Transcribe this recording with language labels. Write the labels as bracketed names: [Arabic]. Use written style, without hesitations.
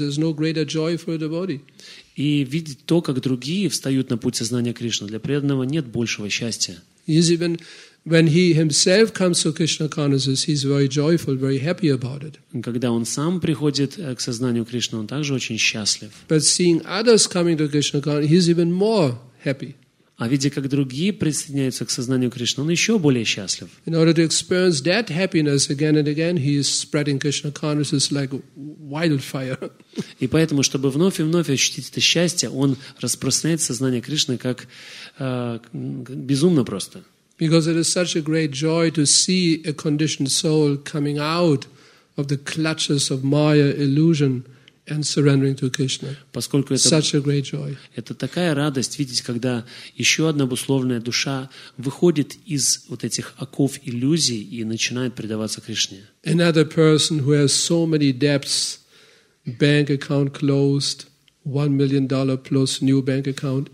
[English] There's no greater joy for a devotee. [Russian] И видеть то, как другие встают на путь сознания Кришны, для преданного нет большего счастья. [English] He's even when he himself comes to Krishna consciousness, he's very joyful, very happy about it. [Russian] Когда он сам приходит к сознанию Кришны, он также очень счастлив. [English] But seeing others coming to Krishna consciousness, he's even more happy. [Russian] А видя, как другие присоединяются к сознанию Кришны, он еще более счастлив. [English] In order to experience that happiness again and again, he is spreading Krishna consciousness like wildfire. [Russian] И поэтому, чтобы вновь и вновь ощутить это счастье, он распространяет сознание Кришны как безумно просто. [English] Because it is such a great joy to see a conditioned soul coming out of the clutches of Maya illusion. And surrendering to Krishna. [Russian] Поскольку это [English] such a great joy. [Russian] Это такая радость видеть, когда еще одна обусловленная душа выходит из вот этих оков иллюзий и начинает предаваться Кришне. [English] Another person who has so many debts, bank account closed, $1 million plus new bank account.